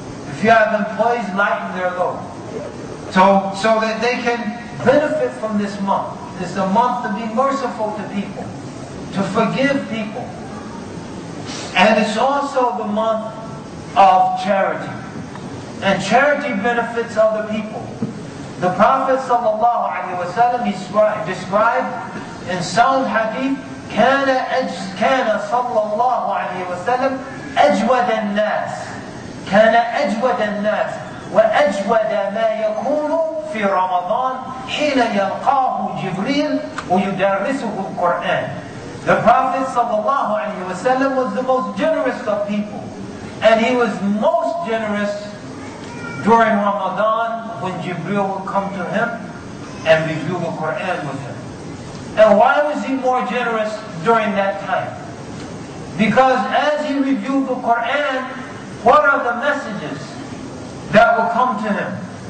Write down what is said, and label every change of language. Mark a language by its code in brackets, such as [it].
[en] If you have employees, lighten their load. So that they can benefit from this month. It's the month to be merciful to people. To forgive people. And it's also the month of charity. And charity benefits other people. The Prophet ﷺ, he described in sound hadith, [ar] كَانَ صَلَّى اللَّهُ عَلَيْهِ وَسَلَمْ أَجْوَدَ النَّاسِ كَانَ أَجْوَدَ النَّاسِ وَأَجْوَدَ مَا يَكُونُ فِي رَمَضَانِ حِينَ يَلْقَاهُ جِبْرِيلُ وَيُدَرِّسُهُ الْقُرْآنِ. [en] The Prophet ﷺ was the most generous of people. And he was most generous during Ramadan when Jibreel would come to him and review the Qur'an with him. And why was he more generous during that time? Because as he reviewed the Qur'an, what are the messages that will come to him?